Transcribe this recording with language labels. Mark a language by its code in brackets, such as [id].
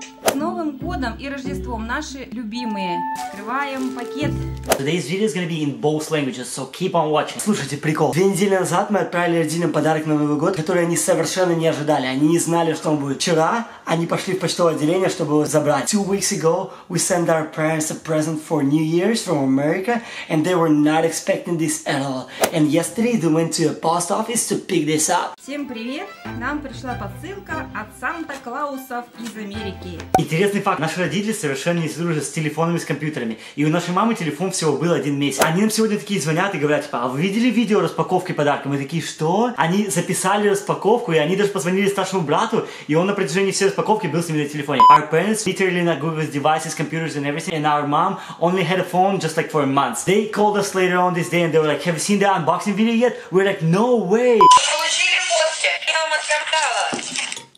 [ru] С Новым годом и Рождеством, наши любимые. Открываем пакет. [en] Today's video is gonna be in both languages, so keep on watching. [ru] Слушайте, прикол. 2 недели назад мы отправили родителям подарок на Новый год, который они совершенно не ожидали. Они не знали, что он будет. Вчера они пошли в почтовое отделение, чтобы его забрать. [en] 2 weeks ago, we sent our parents a present for New Year's from America, and they were not expecting this at all. And yesterday, they went to a post office to pick this up. [ru] Всем привет! Нам пришла посылка от Санта-Клаусов из Америки. Интересный факт. Наши родители совершенно не дружат с телефонами, с компьютерами. И у нашей мамы телефон всего был 1 месяц. Они нам сегодня такие звонят и говорят, типа, а вы видели видео распаковки подарка? Мы такие, что? Они записали распаковку, и они даже позвонили старшему брату, и он на протяжении всей распаковки был с ними на телефоне. [en] Our parents literally not good with devices, computers and everything, and our mom only had a phone just like for a month. They called us later on this day, and they were like, have you seen the unboxing video yet? We're like, no way! [ru] Получили фотки, я вам отвергала.